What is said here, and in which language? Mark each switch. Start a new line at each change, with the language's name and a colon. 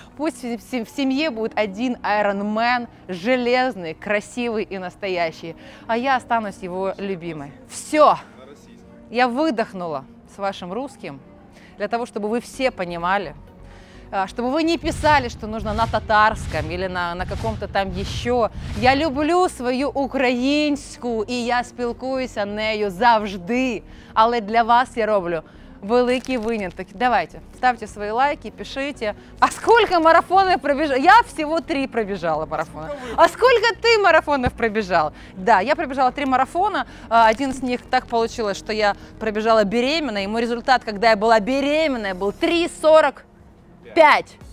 Russian: Пусть в семье будет один Iron Man, железный, красивый и настоящий, а я останусь его любимой. Все, я выдохнула с вашим русским, для того, чтобы вы все понимали, чтобы вы не писали, что нужно на татарском или на каком-то там еще.
Ukrainian: Я люблю свою українську, и я спілкуюся нею завжди. Але для вас я роблю великий виняток.
Russian: Давайте, ставьте свои лайки, пишите. А сколько марафонов пробежал? Я всего 3 пробежала марафона. А сколько ты марафонов пробежал? Да, я пробежала 3 марафона. Один из них так получилось, что я пробежала беременной. И мой результат, когда я была беременная, был 3:45.